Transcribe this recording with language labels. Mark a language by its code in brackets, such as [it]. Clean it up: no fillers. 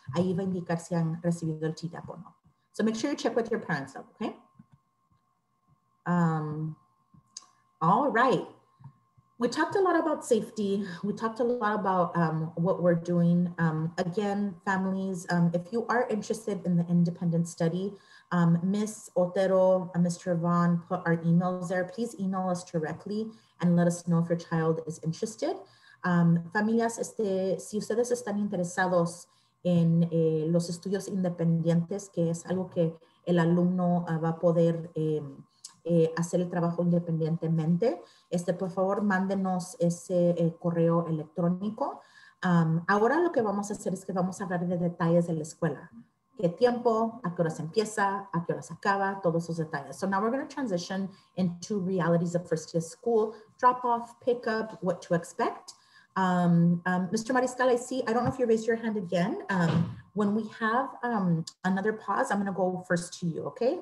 [es] Ahí va a indicar si han recibido el Tdap o no. [en] So make sure you check with your parents, okay? All right. We talked a lot about safety. We talked a lot about what we're doing. Again, families, if you are interested in the independent study, Ms. Otero, Mr. Vaughn, put our emails there. Please email us directly and let us know if your child is interested. [es] Familias, si ustedes están interesados en los estudios independientes, que es algo que el alumno va a poder hacer el trabajo independientemente, por favor, mándenos ese correo electrónico. Ahora lo que vamos a hacer es que vamos a hablar de detalles de la escuela. ¿Qué tiempo? ¿A qué hora se empieza? ¿A qué hora se acaba? Todos esos detalles. [en] So now we're going to transition into realities of first year school, drop off, pick up, what to expect. Mr. Mariscal, I don't know if you raised your hand again. When we have another pause, I'm going to go first to you, okay?